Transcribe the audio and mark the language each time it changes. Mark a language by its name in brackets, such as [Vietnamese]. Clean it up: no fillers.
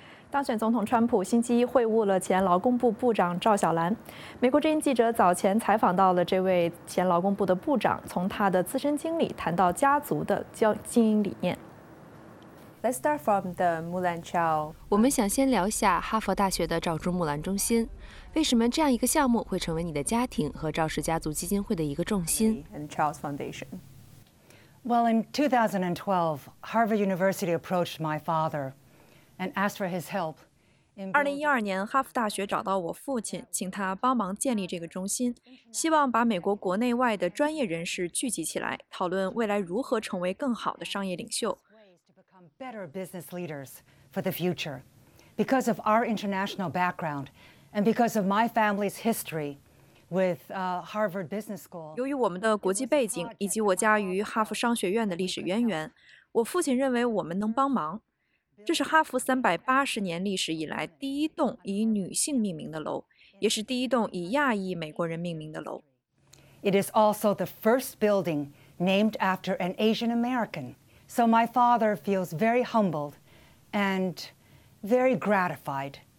[Chinese] 当选总统川普星期一会晤了前劳工部部长赵小兰。美国之音记者早前采访到了这位前劳工部的部长，从他的自身经历谈到家族的经营理念。 [English] Let's start from the Mulan Chao. [Chinese] 我们想先聊一下哈佛大学的赵朱木兰中心。为什么这样一个项目会成为你的家庭和赵氏家族基金会的一个重心 [English] ？And Charles Foundation. Well, in 2012, Harvard University approached my father. And asked for his help. [Chinese] 2012年，哈佛大学找到我父亲，请他帮忙建立这个中心，希望把美国国内外的专业人士聚集起来，讨论未来如何成为更好的商业领袖。 [English] Better business leaders for the future. Because of our international background, and because of my family's history. With Harvard Business School. [Chinese] 由于我们的国际背景以及我家于哈佛商学院的历史渊源，我父亲认为我们能帮忙。这是哈佛380年历史以来第一栋以女性命名的楼，也是第一栋以亚裔美国人命名的楼。 [English] It is also the first building named after an Asian American. So my father feels very humbled and very gratified.